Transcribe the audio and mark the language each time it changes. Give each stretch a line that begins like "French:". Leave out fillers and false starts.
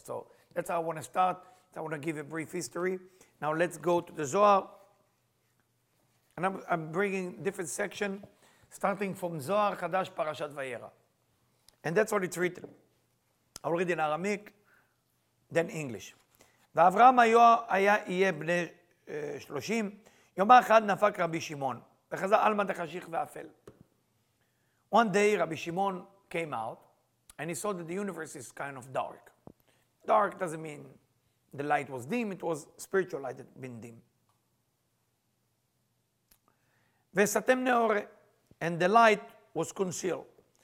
English: So that's how I want to start. So I want to give a brief history. Now let's go to the Zohar. And I'm bringing different section, starting from Zohar Chadash Parashat Vayera. And that's what it's written. I'll read in Aramaic, then English.
Aramaic: ואברהם היה בני 30, יום אחד נפק רבי שמעון, וחזר אלמא דחשיך ואפל.
English: One day, Rabbi Shimon came out, and he saw that the universe is kind of dark. Dark doesn't mean the light was dim, it was spiritual light that had been dim.
Aramaic: וסתם נאורה,
English: and the light was concealed.